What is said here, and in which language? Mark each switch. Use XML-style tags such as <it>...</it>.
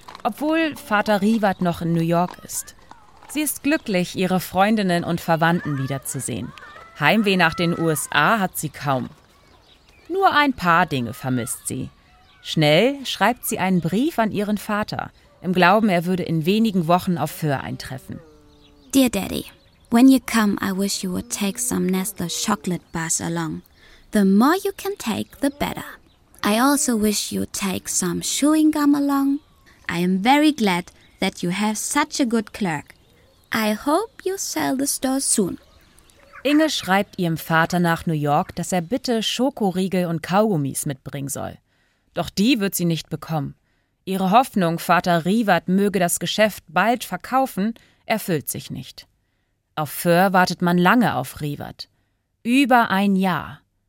<de>Obwohl Vater Rivat noch in New York ist. Sie ist glücklich, ihre Freundinnen und Verwandten wiederzusehen. Heimweh nach den USA hat sie kaum. Nur ein paar Dinge vermisst sie. Schnell schreibt sie einen Brief an ihren Vater, im Glauben, er würde in wenigen Wochen auf Föhr eintreffen.</de> <en>Dear Daddy, when you come, I wish you would take some Nestle chocolate bars along. The more you can take, the better. I also wish you would take some chewing gum along. I am very glad that you have such a good clerk. I hope you sell the store soon.</en> <de>Inge schreibt ihrem Vater nach New York, dass er bitte Schokoriegel und Kaugummis mitbringen soll. Doch die wird sie nicht bekommen. Ihre Hoffnung, Vater Rivat möge das Geschäft bald verkaufen, erfüllt sich nicht. Auf Föhr wartet man lange auf Rivat. Über ein Jahr.</de>